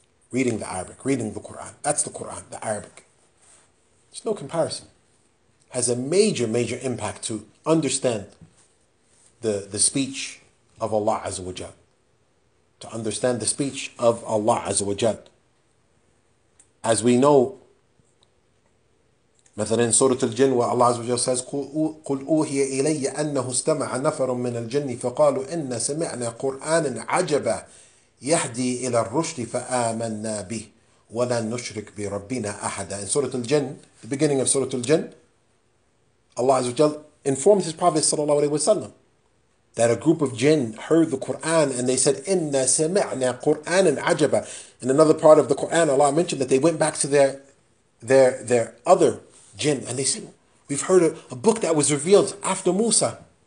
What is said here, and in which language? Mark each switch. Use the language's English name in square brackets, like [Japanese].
[English] Reading the Arabic, reading the Quran. That's the Quran, the Arabic. It's no comparison. Has a major, major impact to understand the speech of Allah Azza wa Jal. To understand the speech of Allah Azza wa Jal. As we know, [Arabic] مثلا [English] in Surah Al-Jinn, where Allah Azza wa Jal says, [Arabic] قُلْ أُوْهِيَ إِلَيَّ أَنَّهُ اسْتَمَعَ نَفَرٌ مِّنَ الْجِنِّ فَقَالُوا إِنَّا سَمِعْنَا قُرْآنًا عَجَبًا يَهْدِي إِلَى الرُّشْدِ فَآمَنَّا بِهِ وَلَا نُشْرِكْ بِرَبِّنَا أَحَدًا. [English] In Surah Al-Jinn, the beginning of Surah Al-Jinn, Allah Azza wa Jal informs His Prophet Sallallahu Alaihi Wasallam that a group of jinn heard the Quran and they said, "Inna sami'na Quranan 'ajaba." In another part of the Quran, Allah mentioned that they went back to their other jinn and they said, "We've heard a book that was revealed after Musa."